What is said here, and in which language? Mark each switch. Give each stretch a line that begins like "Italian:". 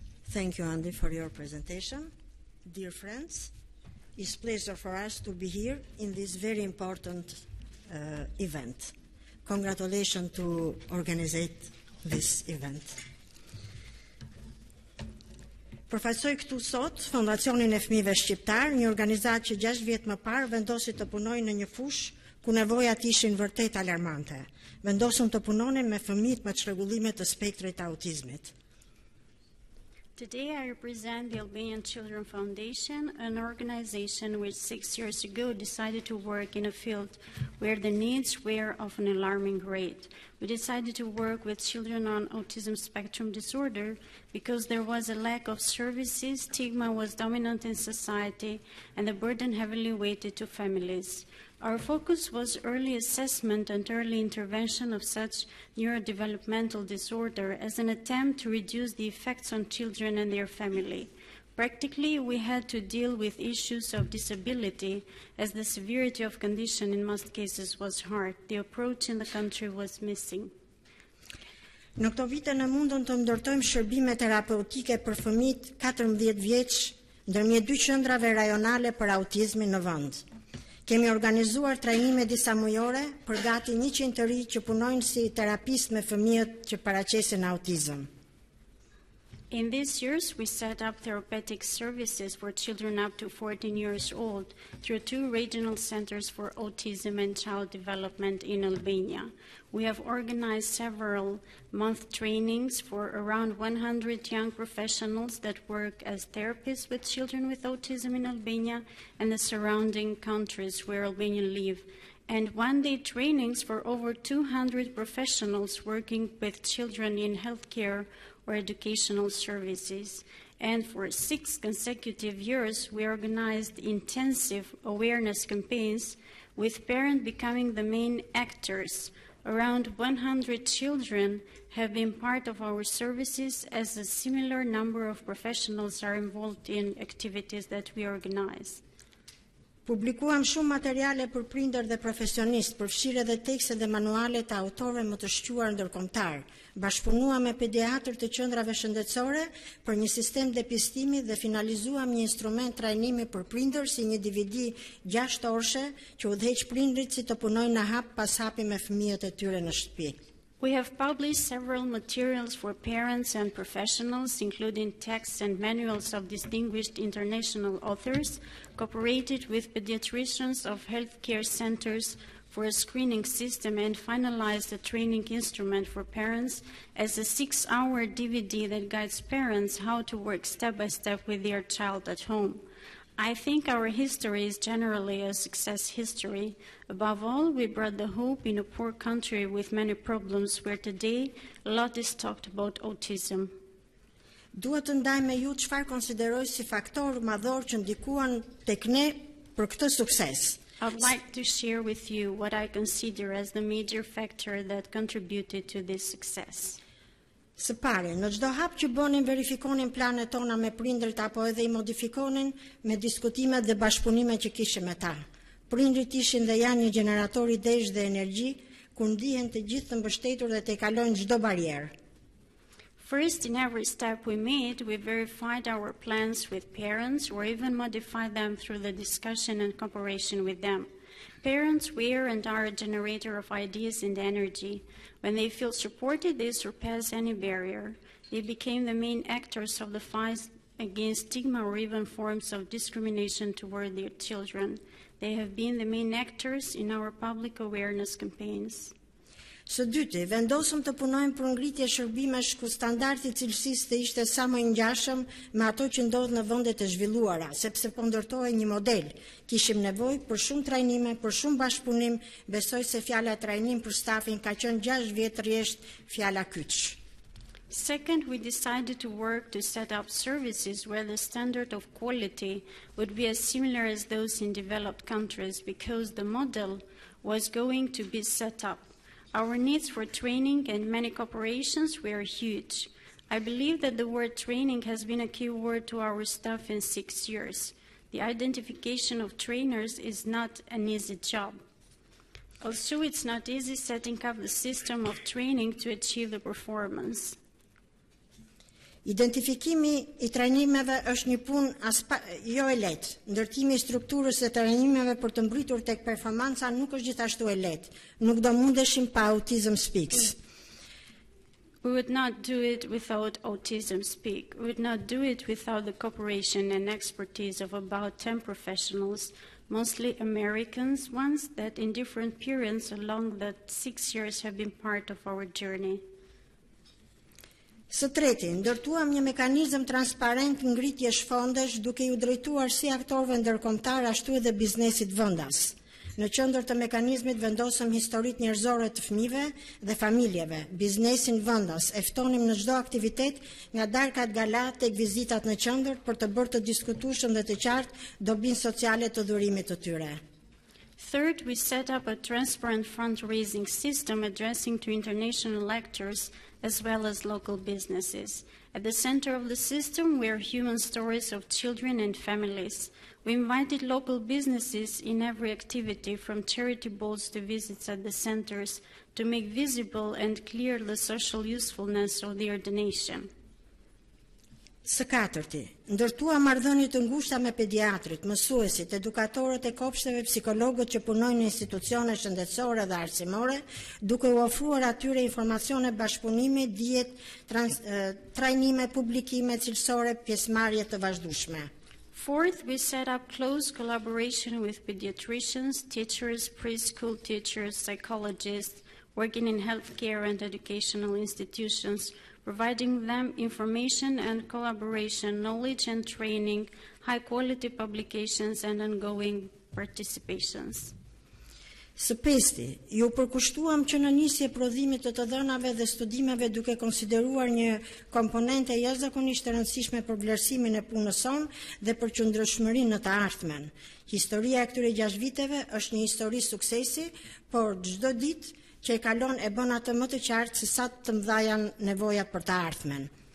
English: Thank you, Andy, for your presentation. Dear friends, it's a pleasure for us to be here in this very important event. Congratulations to organize this event.
Albanian: Profesor këtu sot, Fondacionin e Fëmijëve Shqiptar, një organizatë që 6 vjet më parë vendosi të punojë në një fush ku nevojat ishin vërtet alarmante. Vendosën të punonin me fëmijët me çrregullime të spektrit të autizmit.
English: Today I represent the Albanian Children Foundation, an organization which 6 years ago decided to work in a field where the needs were of an alarming rate. We decided to work with children on autism spectrum disorder because there was a lack of services, stigma was dominant in society, and the burden heavily weighted to families. Our focus was early assessment and early intervention of such neurodevelopmental disorder as an attempt to reduce the effects on children and their family. Practically, we had to deal with issues of disability, as the severity of condition in most cases was hard. The approach in the country was missing.
Albanian: Në këto vite në mundon të ndërtojmë shërbime terapeutike për fëmijët 14 vjeç ndërmjet 2 qendrave rajonale për autizmin në vend. Kemi organizuar trajnime disa mujore për gati 100 të rinj që punojnë si terapist me fëmijët që paraqesin autizëm.
English: In these years, we set up therapeutic services for children up to 14 years old through 2 regional centers for autism and child development in Albania. We have organized several month trainings for around 100 young professionals that work as therapists with children with autism in Albania and the surrounding countries where Albanians live, and one-day trainings for over 200 professionals working with children in healthcare or educational services. And for 6 consecutive years, we organized intensive awareness campaigns with parents becoming the main actors. Around 100 children have been part of our services, as a similar number of professionals are involved in activities that we organize.
Albanian: Publikuam shumë materiale për prindër dhe profesionist, përfshirë edhe tekste dhe manuale të autorëve më të shquar ndërkombëtar. Bashkëpunuam me pediatër të qendrave shëndetësore për një sistem depistimi dhe finalizuam një instrument trajnimi për prindër si një DVD 6 orëshe që udhëheq prindrit si të punojnë në hap pas hapi me fëmijët e tyre në shtëpi.
English: We have published several materials for parents and professionals, including texts and manuals of distinguished international authors, cooperated with pediatricians of healthcare centers for a screening system, and finalized a training instrument for parents as a 6-hour DVD that guides parents how to work step by step with their child at home. I think our history is generally a success history. Above all, we brought the hope in a poor country with many problems where today a lot is talked about autism.
Albanian: Duhet të ndaj me ju çfarë konsideroj si faktor madhor që ndikuan tek ne për këtë sukses.
English: I'd like to share with you what I consider as the major factor that contributed to this success.
Albanian: Së pari, në çdo hap që bënin verifikonin planet tona me prindrit apo edhe i modifikonin me diskutimet dhe bashkëpunime që kishim me ta. Prindrit ishin dhe janë një generator idesh dhe energji, ku ndihen të gjithë të mbështetur dhe të kalojnë çdo barierë.
English: First, in every step we made, we verified our plans with parents or even modified them through the discussion and cooperation with them. Parents were and are a generator of ideas and energy. When they feel supported, they surpass any barrier. They became the main actors of the fight against stigma or even forms of discrimination toward their children. They have been the main actors in our public awareness campaigns.
Albanian: Së dyti, vendosëm të punojmë për ngritje shërbimesh ku standardi cilësisë të ishte sa më i ngjashëm me ato që ndodhet në vendet e zhvilluara, sepse po ndërtohej një model. Kishim nevojë për shumë trajnime, për shumë bashkëpunim. Besoj se fjala trajnim për stafin ka qenë 6 vjet rresht fjala kyç.
English: Second, we decided to work to set up services where the standard of quality would be as similar as those in developed countries because the model was going to be set up. Our needs for training and many corporations were huge. I believe that the word training has been a key word to our staff in 6 years. The identification of trainers is not an easy job. Also, it's not easy setting up the system of training to achieve the performance.
Albanian: Identifikimi I trajnimeve është një punë jo e lehtë. Ndërtimi I strukturës së trajnimeve për të mbritur tek performanca nuk është gjithashtu e lehtë. Nuk do mundeshim pa Autism Speaks.
English: We would not do it without Autism Speak. We would not do it without the cooperation and expertise of about 10 professionals, mostly Americans, ones that in different periods along the 6 years have been part of our journey.
Albanian: Së treti, ndërtuam një mekanizëm transparent ngritjesh fondesh duke ju drejtuar si aktorëve ndërkombëtar ashtu edhe biznesit vendas. Në qendër të mekanizmit vendosëm historitë njerëzore të fëmijëve dhe familjeve, biznesin vendas e ftonim në çdo aktivitet nga darkat gala tek vizitat në qendër për të bërë të diskutueshëm dhe të qartë dobinë sociale të durimit të tyre.
English: Third, we set up a transparent fundraising system addressing to international actors as well as local businesses. At the center of the system were human stories of children and families. We invited local businesses in every activity, from charity balls to visits at the centers, to make visible and clear the social usefulness of their donation.
Albanian: Së katërti, ndërtua marrëdhënie të ngushta me pediatrit, mësuesit, edukatorët e kopshteve, psikologët që punojnë në institucione shëndetësore dhe arsimore, duke u ofruar atyre informacione bashkëpunimi, dijet, trajnime, publikime, cilësore, pjesëmarrje të vazhdueshme.
English: Fourth, we set up close collaboration with pediatricians, teachers, preschool teachers, psychologists, working in healthcare and educational institutions, providing them information and collaboration, knowledge and training, high quality publications and ongoing participations.
Albanian: Së pesti, ju përkushtuam që në nisje prodhimit të të dhënave dhe studimeve duke konsideruar një komponente jashtëzakonisht e rëndësishme për vlerësimin e punës sonë dhe për qëndrueshmërinë në të ardhmen. Historia e këtyre 6 viteve është një histori suksesi, por çdo ditë që e kalon e bën atë më të qartë se sa të mëdha janë nevojat për të ardhmen.